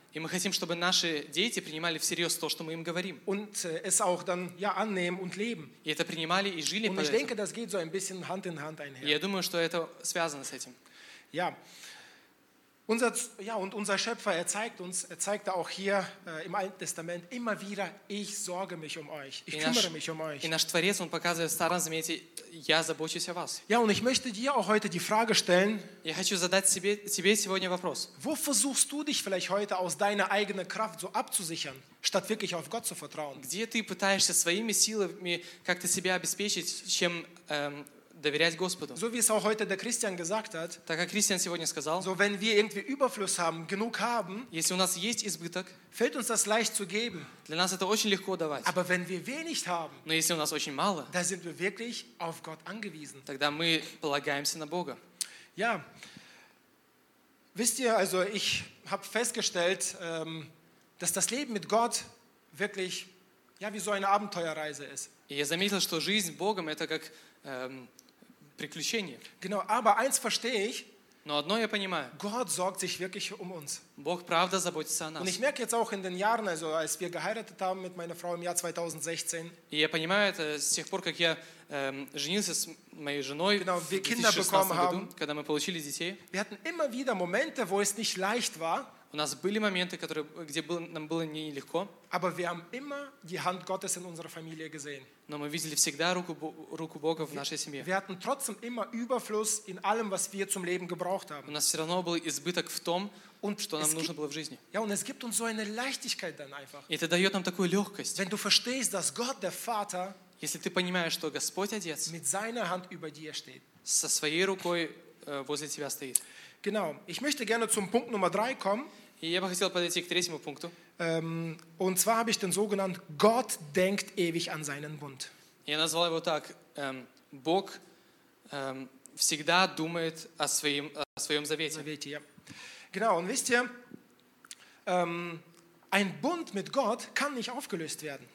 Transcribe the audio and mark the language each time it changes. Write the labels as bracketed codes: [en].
[ru] И мы хотим, чтобы наши дети принимали всерьез то, что мы им говорим. [de] Und es auch dann, ja, annehmen und leben. [ru] И это принимали и жили [de] und [ru] по [de] ich [ru] этому. [de] Denke, das geht so ein bisschen Hand in Hand einher. [ru] И я думаю, что это связано с этим. [de] Ja. Unser Schöpfer, er zeigt auch hier im Alten Testament immer wieder, ich sorge mich um euch, ich kümmere mich um euch. [ru] И наш Творец, он показывает в Старом Завете, я забочусь о вас. [de] Ja, und ich möchte dir auch heute die Frage stellen, [ru] я хочу задать себе сегодня вопрос. [de] Wo versuchst du dich vielleicht heute aus deiner eigenen Kraft so abzusichern, statt wirklich auf Gott zu vertrauen? [ru] Где ты пытаешься своими силами как-то себя обеспечить, чем доверять Господу. [de] So wie es auch heute der Christian gesagt hat, [ru] так как Christian сегодня сказал, [de] so wenn wir irgendwie Überfluss haben, genug haben, [ru] если у нас есть избыток, [de] fällt uns das leicht zu geben. [ru] Для нас это очень легко давать. [de] Aber wenn wir wenig haben, [ru] но если у нас очень мало, [de] dann sind wir wirklich auf Gott angewiesen. [ru] Тогда мы полагаемся на Бога. [de] Ja. Wisst ihr, also ich habe festgestellt, dass das Leben mit Gott wirklich ja, wie so eine Abenteuerreise ist. [ru] И я заметил, что жизнь с Богом это как приключения. [de] Genau, aber eins verstehe ich. [ru] Но одно я понимаю. [de] Gott sorgt sich wirklich um uns. [ru] Бог правда заботится о нас. [de] Und ich merke jetzt auch in den Jahren, also als wir geheiratet haben mit meiner Frau im Jahr 2016. [ru] И я понимаю это с тех пор, как я женился с моей женой. [de] Genau, wir Kinder bekommen haben. [ru] Когда мы получили детей. [de] Wir hatten immer wieder Momente, wo es nicht leicht war. [ru] У нас были моменты, где нам было нелегко. [de] Aber wir haben immer die Hand Gottes in unserer Familie gesehen. [ru] Но мы видели всегда руку Бога в нашей семье. [de] Wir hatten trotzdem immer Überfluss in allem, was wir zum Leben gebraucht haben. [ru] У нас все равно был избыток в том, что нам нужно было в жизни. [de] Ja, und es gibt uns so eine Leichtigkeit dann einfach. [ru] Это дает нам такую легкость. [de] Wenn du verstehst, dass Gott der Vater, [ru] если ты понимаешь, что Господь Отец, [de] mit seiner Hand über dir steht, [ru] со своей рукой возле тебя стоит. [de] Genau. Ich möchte gerne zum Punkt Nummer 3 kommen. [ru] И я бы хотел подойти к третьему пункту. [de] Und zwar habe ich den sogenannten Gott denkt ewig an seinen Bund. [ru] Я назвал его так. Бог всегда думает о своем Завете. Завете, ja. [de] Genau, und wisst ihr, ein Bund mit Gott kann nicht aufgelöst werden.